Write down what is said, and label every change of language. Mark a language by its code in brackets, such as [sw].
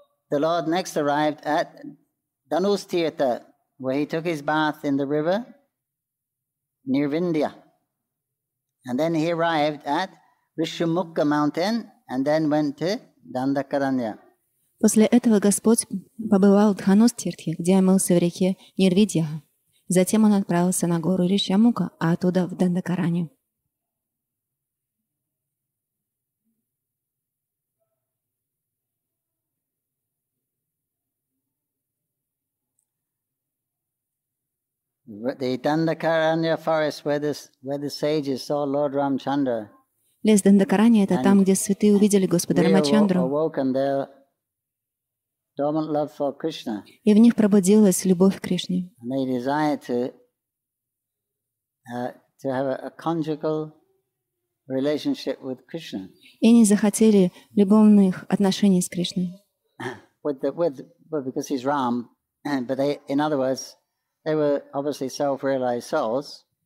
[en] The Lord next arrived at Dhanustirtha, where he took his bath in the river Nirvindya. And then he arrived at Rishimukha mountain and then went to Dandakaranya. [ru] После этого Господь побывал в Дханустирте, где омылся в реке Нирвидья. Затем он отправился на гору Ришьямука, а оттуда в Дандакаранью. [en] The Dandakaranya forest where the sages saw Lord Ramchandra. [ru] Лес Дандакаранья — это там, где святые увидели Господа Рамачандру. [en] Dormant love for Krishna. [ru] И в них пробудилась любовь к Кришне. [en] And they desired to have a conjugal relationship with Krishna. [ru] И они захотели любовных отношений с Кришной. [en] Because he's Ram, but they were obviously self-realized souls.